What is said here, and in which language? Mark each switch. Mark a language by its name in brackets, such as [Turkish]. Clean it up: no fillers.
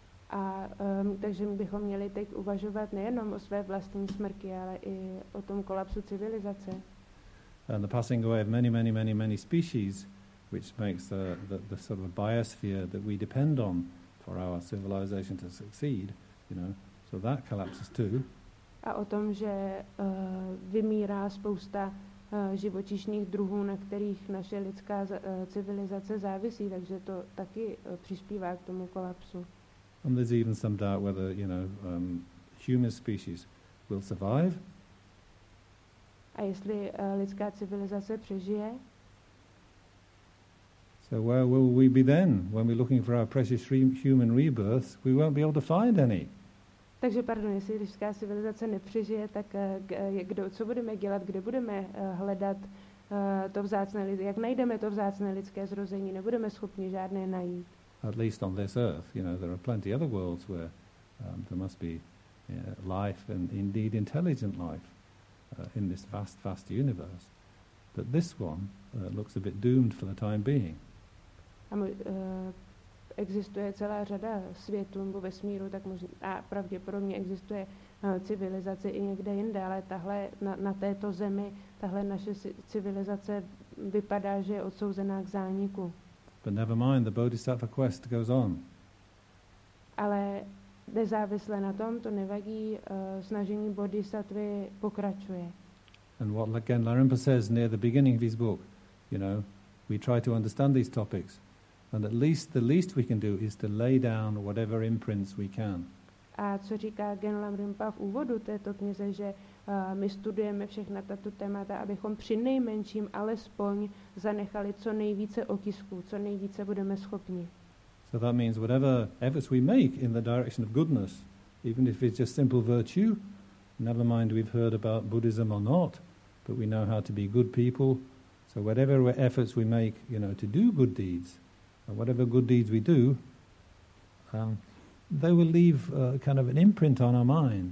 [Czech] A takže bychom měli teď uvažovat nejenom o své vlastní smrti, ale i o tom kolapsu civilizace. [English] And the passing away of many, many, many, many species, which makes the sort of biosphere that we depend on for our civilization to succeed, you know, so that collapses too. [Czech] A o tom, že vymírá spousta živočišných druhů, na kterých naše lidská civilizace závisí, takže to taky přispívá k tomu kolapsu. [English] And there's even some doubt whether, you know, human species will survive. [Czech] A jestli lidská civilizace přežije? [English] So where will we be then when we're looking for our precious human rebirth? We won't be able to find any. [Czech] Takže pardon, jestli lidská civilizace nepřežije, tak co budeme dělat, kde budeme hledat to vzácné lidské, jak najdeme to vzácné lidské zrození, nebudeme schopni žádné najít. [English] At least on this earth, you know, there are plenty other worlds where there must be life and indeed intelligent life in this vast, vast universe. But this one looks a bit doomed for the time being. [Czech] Existuje celá řada světů nebo vesmíru, tak možná a pravděpodobně existuje civilizace i někde jinde, ale tahle na této zemi, tahle naše civilizace vypadá, že je odsouzená k zániku. [English] But never mind, the Bodhisattva quest goes on. [Czech] Ale nezávisle na tom, to nevadí, snažení Bodhisattvy pokračuje. [English] And what again Larenpo says near the beginning of his book, you know, we try to understand these topics. And at least the least we can do is to lay down whatever imprints we can. [Czech] A co říká Genlam Rimpa v úvodu této knize, že my studujeme všechna tato témata, abychom přinejmenším alespoň zanechali co nejvíce otisků, co nejvíce budeme schopni. [English] So that means whatever efforts we make in the direction of goodness, even if it's just simple virtue, never mind we've heard about Buddhism or not, but we know how to be good people. So whatever efforts we make, you know, to do good deeds, whatever good deeds we do, they will leave kind of an imprint on our mind.